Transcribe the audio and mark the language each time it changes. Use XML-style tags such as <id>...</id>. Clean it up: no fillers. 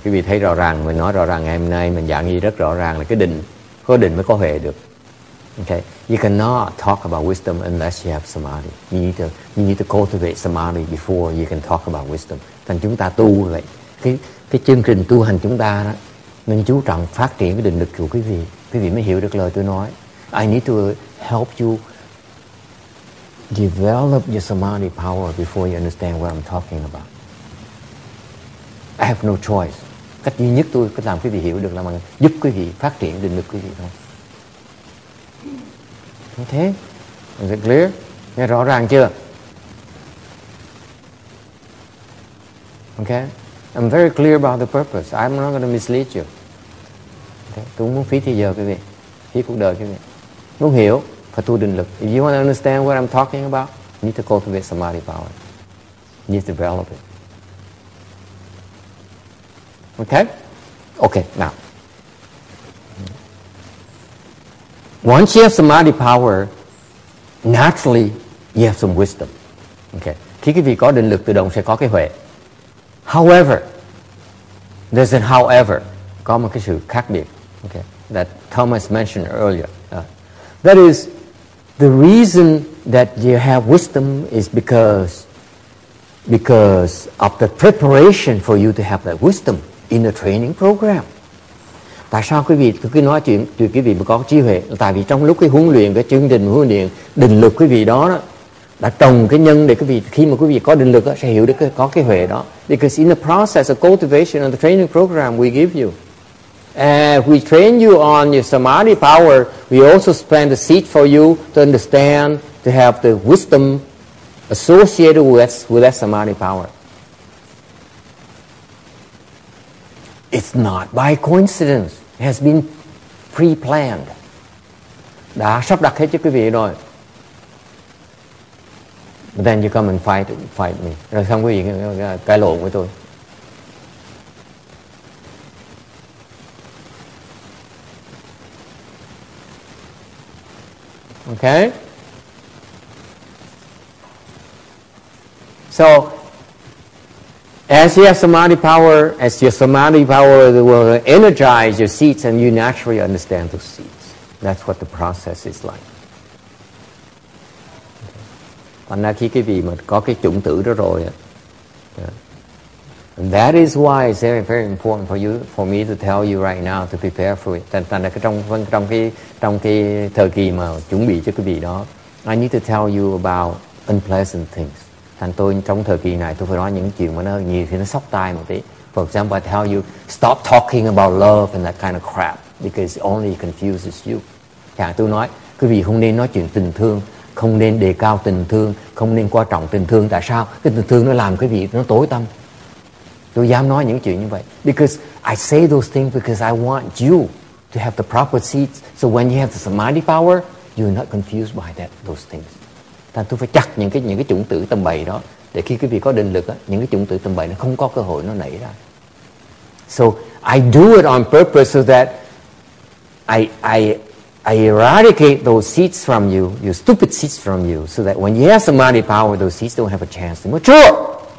<vi>Quý vị thấy rõ ràng, mình nói rõ ràng ngày hôm nay, mình giảng nghi rất rõ ràng là cái định, có định mới có huệ được.</vi> <en>Okay. You cannot talk about wisdom unless you have samadhi. You need to cultivate samadhi before you can talk about wisdom.</en> <vi>Thành chúng ta tu vậy. Cái chương trình tu hành chúng ta đó, mình chú trọng phát triển cái định lực của quý vị. Quý vị mới hiểu được lời tôi nói.</vi> <en>I need to help you develop your samadhi power before you understand what I'm talking about. I have no choice.</en> <vi>Cách duy nhất tôi có làm quý vị hiểu được là giúp quý vị phát triển định lực quý vị thôi.</vi> <en>Okay? Is it clear?</en> <vi>Nghe rõ ràng chưa?</vi> <en>Okay? I'm very clear about the purpose. I'm not going to mislead you. Okay?</en> <vi>Tôi muốn phí thời giờ quý vị, phí cuộc đời quý vị. Muốn hiểu phải tu định lực.</vi> <en>If you want to understand what I'm talking about, you need to cultivate samadhi power. You need to develop it. Okay? Okay, now. Once you have samadhi power, naturally, you have some wisdom. Okay?</en> <vi>Khi quý vị có định lực, tự động sẽ có cái huệ.</vi> <en>However, there's a however.</en> <vi>Có một cái sự khác biệt. Okay?</vi> <en>That Thomas mentioned earlier. That is, the reason that you have wisdom is because because of the preparation for you to have that wisdom in the training program.</en> <vi>Tại sao quý vị cứ nói chuyện thì quý vị mới có trí huệ? Tại vì trong lúc cái huấn luyện, cái chương trình huấn luyện định lực quý vị đó đó đã trồng cái nhân để quý vị khi mà quý vị có định lực đó, sẽ hiểu được có cái huệ đó.</vi> <en>Because in the process of cultivation and the training program we give you, and we train you on your samadhi power, we also plant the seed for you to understand, to have the wisdom associated with that samadhi power. It's not by coincidence. It has been pre-planned.</en> <vi>Đã sắp đặt hết cho quý vị rồi.</vi> <en>But then you come and fight me.</en> <vi>Rồi xong quý vị cãi lộn với tôi.</vi> <en>Okay? So, as you have samadhi power, as your samadhi power will energize your seeds, and you naturally understand those seeds. That's what the process is like.</en> <vi>Còn khi cái vị mà có cái chủng tử đó rồi,</vi> <en>and that is why it's very, very important for you, for me to tell you right now to prepare for it.</en> <vi>Tại cái trong cái thời kỳ mà chuẩn bị cho cái vị đó,</vi> <en>I need to tell you about unpleasant things.</en> <vi>Thành tôi trong thời kỳ này tôi phải nói những chuyện mà nó nhiều thì nó sóc tai một tí.</vi> <en>For example, I tell you, stop talking about love and that kind of crap, because it only confuses you.</en> <vi>Chẳng tôi nói, quý vị không nên nói chuyện tình thương, không nên đề cao tình thương, không nên quan trọng tình thương. Tại sao? Cái tình thương nó làm quý vị nó tối tâm. Tôi dám nói những chuyện như vậy.</vi> <en>Because I say those things because I want you to have the proper seeds, so when you have the samadhi power, you're not confused by that those things.</en> <vi>Thành tôi phải chặt những cái chủng tử tầm bậy đó, để khi quý vị có định lực á, những cái chủng tử tầm bậy nó không có cơ hội nó nảy ra.</vi> <en>So I do it on purpose so that I eradicate those seeds from you, your stupid seeds from you, so that when you have some mighty power, those seeds don't have a chance to mature.</en>